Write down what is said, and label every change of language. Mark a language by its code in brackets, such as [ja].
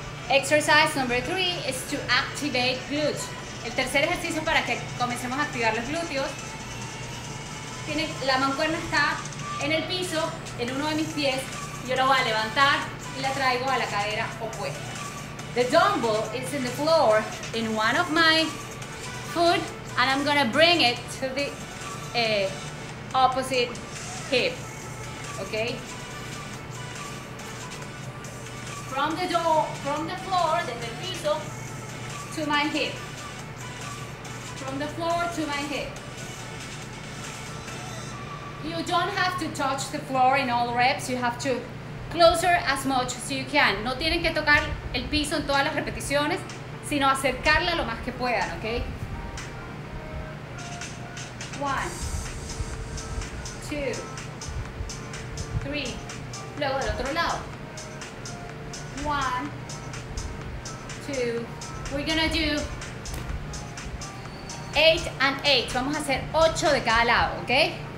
[en] Exercise number 3 is to activate glutes. [es] El tercer ejercicio para que comencemos a activar los glúteos. La mancuerna está en el piso, en uno de mis pies. Yo la voy a levantar y la traigo a la cadera opuesta. [en] The dumbbell is in the floor in one of my foot and I'm going to bring it to the opposite hip. Okay? From the door, from the floor, [es] desde el piso, [en] to my hip. From the floor to my hip. You don't have to touch the floor in all reps. You have to closer as much as you can. [es] No tienen que tocar el piso en todas las repeticiones, sino acercarla lo más que puedan, okay? 1, 2, 3. Luego del otro lado. 1, 2. [en] We're gonna do 8 and 8. [es] Vamos a hacer 8 de cada lado, okay?